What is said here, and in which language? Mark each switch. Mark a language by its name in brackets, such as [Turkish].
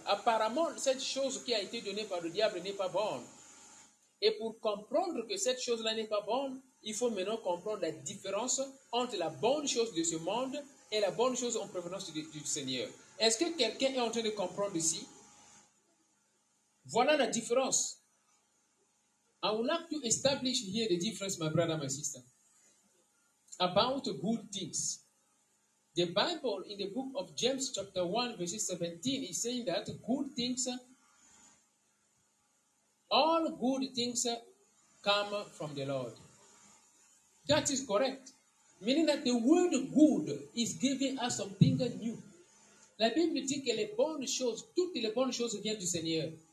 [French] Apparemment, cette chose qui a été donnée par le diable n'est pas bonne. Et pour comprendre que cette chose-là n'est pas bonne, il faut maintenant comprendre la différence entre la bonne chose de ce monde et la bonne chose en provenance du Seigneur. Est-ce que quelqu'un est en train de comprendre ici? Voilà la différence. [English] I would like to establish here the difference, my brother, my sister, about good things. The Bible, in the book of James, chapter 1, verse 17, is saying that good things, all good things come from the Lord. That is correct. Meaning that the word good is giving us something new. [French] La Bible dit que les bonnes choses, toutes les bonnes choses viennent du Seigneur.